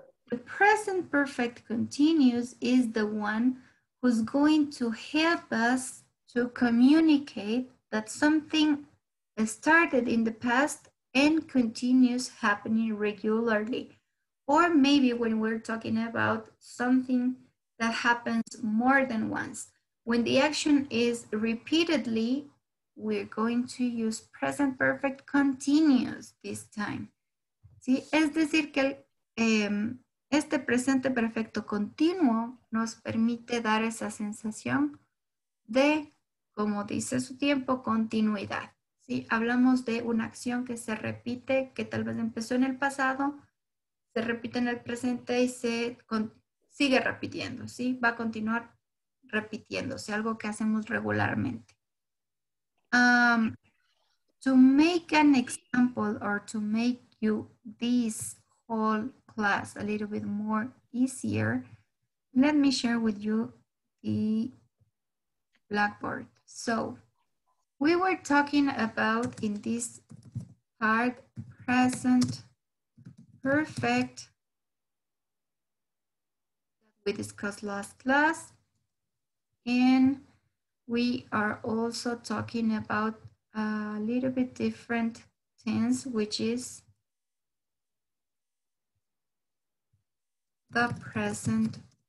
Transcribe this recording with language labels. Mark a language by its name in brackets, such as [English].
[English] The present perfect continuous is the one who's going to help us to communicate that something started in the past and continues happening regularly. Or maybe when we're talking about something that happens more than once. When the action is repeatedly, we're going to use present perfect continuous this time. [Spanish] ¿Sí? Es decir que este presente perfecto continuo nos permite dar esa sensación de, como dice su tiempo, continuidad. ¿Sí? Hablamos de una acción que se repite, que tal vez empezó en el pasado, se repite en el presente y se sigue repitiendo, ¿sí? Va a continuar repitiéndose, algo que hacemos regularmente. [English] To make an example or to make you this whole class a little bit more easier, let me share with you the blackboard. So, we were talking about in this part present perfect that we discussed last class, and we are also talking about a little bit different tense, which is the present perfect.